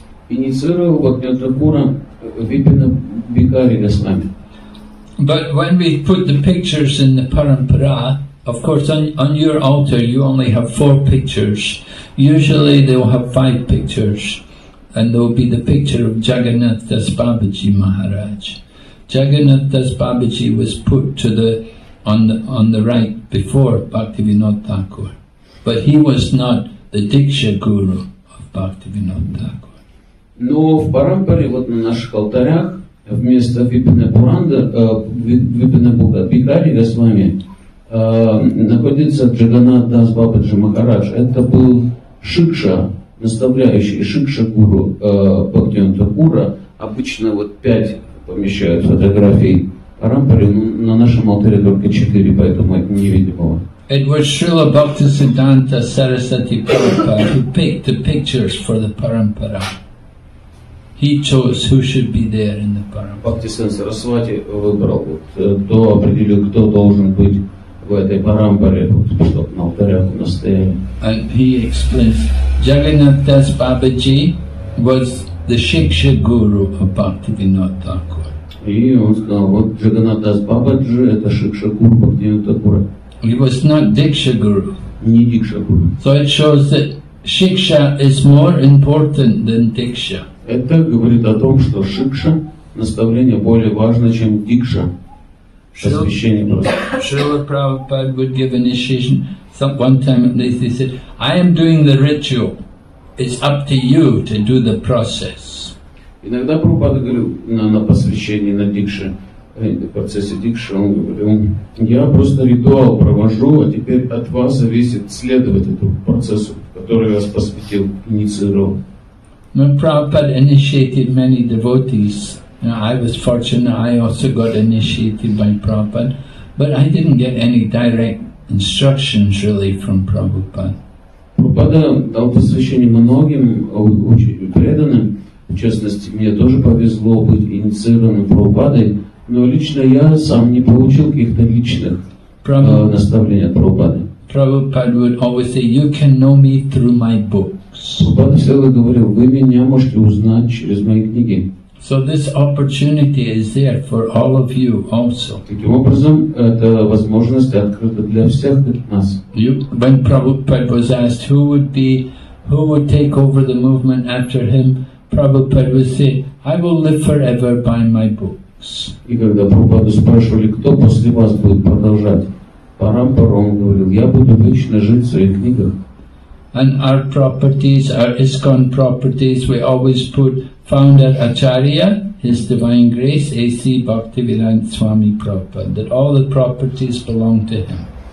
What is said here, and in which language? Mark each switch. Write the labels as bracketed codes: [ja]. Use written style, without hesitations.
[ru] Инициировал Бхактивинода Такура Бипина Бихари Госвами. [en] But when we put the pictures in the parampara, of course on your altar you only have four pictures. Usually they will have five pictures, and there will be the picture of Jagannath Das Babaji Maharaj. Jagannath Das Babaji was put to the on the right before Bhaktivinod Thakur. But he was not the Diksha Guru of Bhaktivinod Thakur. No, [ru] в парампаре, вот на наших алтарях, вместо Випина Пуранда, Випина Бога, Бихари Госвами, находится Джаганнат Дас Бабаджи Махарадж. Это был Шикша, наставляющий Шикша Гуру Бхактивинода Такура. Обычно вот пять помещают фотографий Парампари, но на нашем алтаре только четыре, поэтому это невидимого. [en] It was Srila Bhaktisiddhanta Sarasati Prabhupada who picked the pictures for the Parampara. He chose who should be there in the parampara. [ru] Бхактисиддханта Сарасвати выбрал, кто определил, кто должен быть в этой парампаре, чтобы на алтарях настояли. [en] And he explains, Jagannath Das Babaji was the Shiksha Guru of Bhaktivinoda Thakur. [ru] И он сказал, вот Jagannath Das Babaji – это Shiksha Guru Bhaktivinoda Thakura. [en] He was not Diksha Guru. [ru] Не Диксха Гуру. [en] So it shows that Shiksha is more important than Diksha. [ru] Это говорит о том, что шикша, наставление, более важно, чем дикша. [en] Srila Prabhupada would give initiation. One time at least he said, I am doing the ritual. It's up to you to do the process. [ru] Иногда Прабхупада говорил на посвящении, на дикше, на процессе дикши, он говорил, я просто ритуал провожу, а теперь от вас зависит следовать этому процессу, который вас посвятил, инициировал. [en] Прабхупада initiated many devotees. I was fortunate, I also got initiated by Prabhupada, but I didn't get any direct instructions really from Prabhupada. [ru] Прабхупада дал посвящение многим очень преданным. В частности, мне тоже повезло быть инициированным Прабхупадой, но лично я сам не получил каких-то личных наставлений от Прабхупады. [en] Prabhupada would always say, you can know me through my books. [ru] Прабхупада всегда говорил, вы меня можете узнать через мои книги. [en] So this opportunity is there for all of you also. [ru] Таким образом, эта возможность открыта для всех нас. [en] When Prabhupada was asked who would take over the movement after him, Prabhupada would say, I will live forever by my books. [ru] И когда Прабхупаду спрашивали, кто после вас будет продолжать парампару, он говорил, я буду вечно жить в своих книгах. [en] And our properties, our ISKCON properties, we always put founder Acharya, His Divine Grace, A.C. Bhaktivinoda Swami Prabhupada, that all the properties belong to him.